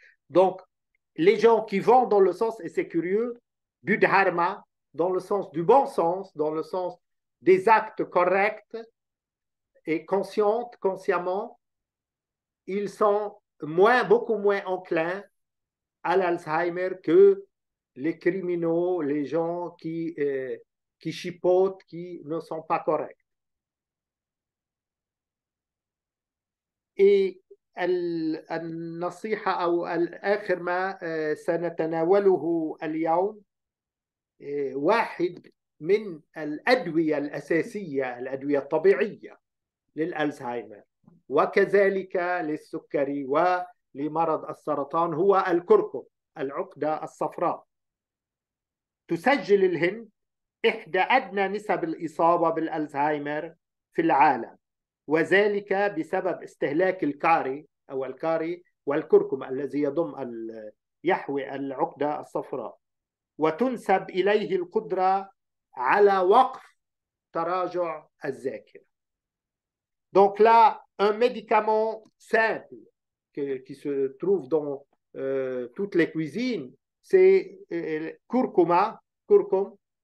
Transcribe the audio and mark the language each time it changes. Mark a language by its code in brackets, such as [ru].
[fr] Donc, les gens qui vont dans le sens, et c'est curieux, du dharma, dans le sens du bon sens, dans le sens des actes corrects et consciemment, ils sont beaucoup moins enclins à l'Alzheimer que les criminaux, les gens qui chipotent, qui ne sont pas corrects. [ar] Et النصيحة أو الآخر ما سنتناوله اليوم واحد من الأدوية الأساسية الأدوية الطبيعية للألزهايمر وكذلك للسكري ولمرض السرطان هو الكركم العقدة الصفراء. تسجل الهند إحدى أدنى نسب الإصابة بالألزهايمر في العالم وذلك بسبب استهلاك الكاري أو الكاري والكركم الذي يحوي العقدة الصفراء وتنسب إليه القدرة على وقف تراجع الذاكرة. [fr] Donc là, un médicament simple qui se trouve dans toutes les cuisines, c'est curcuma, curcum.